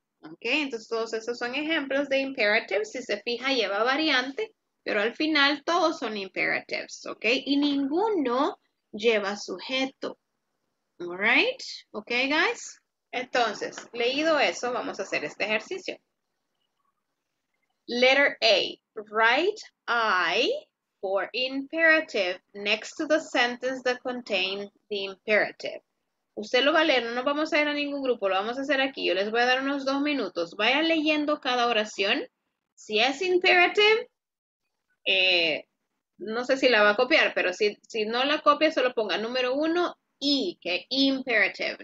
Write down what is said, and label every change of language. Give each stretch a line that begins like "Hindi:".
Spanish: Okay, entonces todos esos son ejemplos de imperatives. Si se fija, lleva variante, pero al final todos son imperatives. Okay, y ninguno lleva sujeto.
English: All right, okay, guys.
Spanish: Entonces, leído eso, vamos a hacer este ejercicio.
English: Letter A, write I for imperative next to the sentence that contains the imperative.
Spanish: Usted lo va a leer, no nos vamos a ir a ningún grupo, lo vamos a hacer aquí. Yo les voy a dar unos dos minutos. Vaya leyendo cada oración. Si es imperative, no sé si la va a copiar, pero si no la copia, solo ponga número uno, I, que imperative.